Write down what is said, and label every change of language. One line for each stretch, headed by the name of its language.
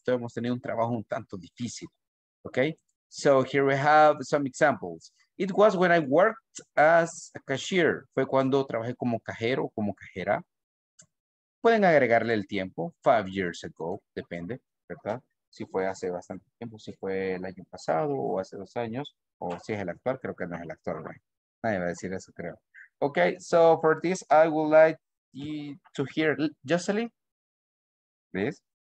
Spanish: Todos hemos tenido un trabajo un tanto difícil.
English: Okay, so here we have some examples. It was when I worked as a cashier.
Spanish: Fue cuando trabajé como cajero o como cajera. Pueden agregarle el tiempo.
English: 5 years ago,
Spanish: depende, ¿verdad? Si fue hace bastante tiempo, si fue el año pasado o hace 2 años, o si es el actual, creo que no es el actual, ¿verdad? Nadie va a decir eso, creo.
English: Okay, so for this, I would like you to hear Jocelyn, please.